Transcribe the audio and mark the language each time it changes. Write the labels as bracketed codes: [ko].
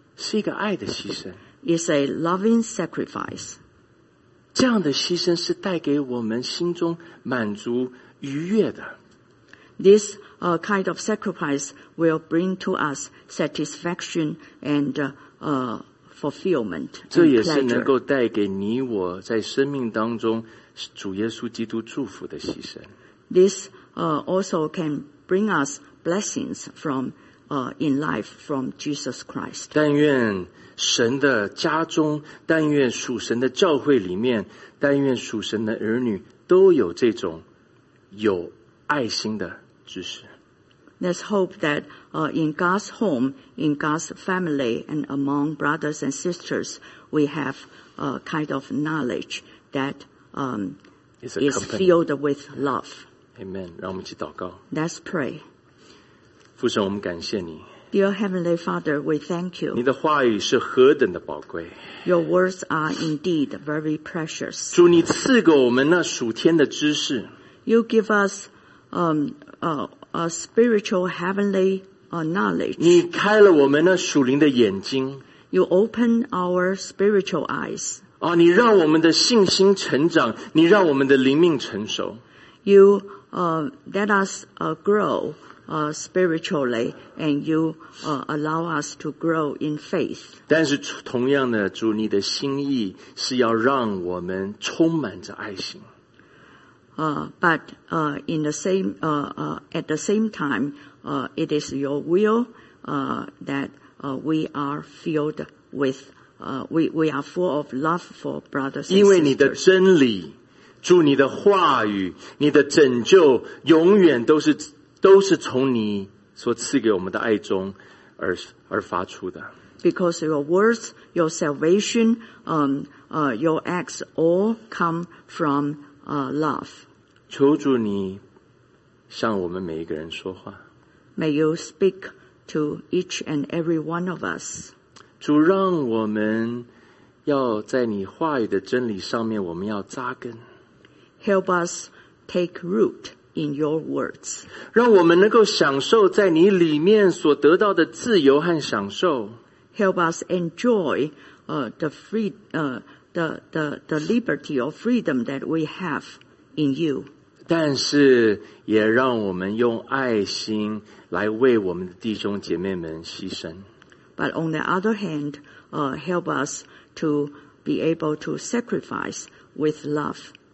[zh] 是一个爱的牺牲。 [en] It's a loving sacrifice. [zh] 这样的牺牲是带给我们心中满足愉悦的。 [en] This kind of sacrifice will bring to us satisfaction and fulfillment. [zh] 这也是能够带给你我在生命当中主耶稣基督祝福的牺牲。 [en] This also can bring us blessings from in life from Jesus Christ. [zh] 但愿神的家中，但愿属神的教会里面，但愿属神的儿女都有这种有爱心的知识。 [en] Let's hope that in God's home, in God's family, and among brothers and sisters, we have a kind of knowledge that is filled with love. [zh] Amen. 让我们一起祷告。 [en] Let's pray. [zh] 父神，我们感谢你。 [en] Dear Heavenly Father, we thank you. [zh] 你的话语是何等的宝贵。 [en] Your words are indeed very precious. [zh] 主，你赐给我们那属天的知识。 [en] You give us a spiritual heavenly knowledge. [zh] 你开了我们那属灵的眼睛。 [en] You open our spiritual eyes. [zh] 啊，你让我们的信心成长，你让我们的灵命成熟。 [en] You let us grow spiritually, and you allow us to grow in faith. [zh] 但是同样的，主，你的心意是要让我们充满着爱心。 [en] But in the same at the same time, it is your will that we are filled with we are full of love for brothers and sisters. [zh] 因为你的真理。祝你的话语，你的拯救永远都是从你所赐给我们的爱中而发出的。 [en] Because your words, your salvation, your acts all come from love. [zh] 求主你向我们每一个人说话。 [en] May you speak to each and every one of us. [zh] 主，让我们要在你话语的真理上面，我们要扎根。 [en] Help us take root in your words. [zh] 让我们能够享受在你里面所得到的自由和享受。 [en] Help us enjoy the liberty or freedom that we have in you. [zh] 但是也让我们用爱心来为我们的弟兄姐妹们牺牲。 [en] But on the other hand, help us to be able to sacrifice with love.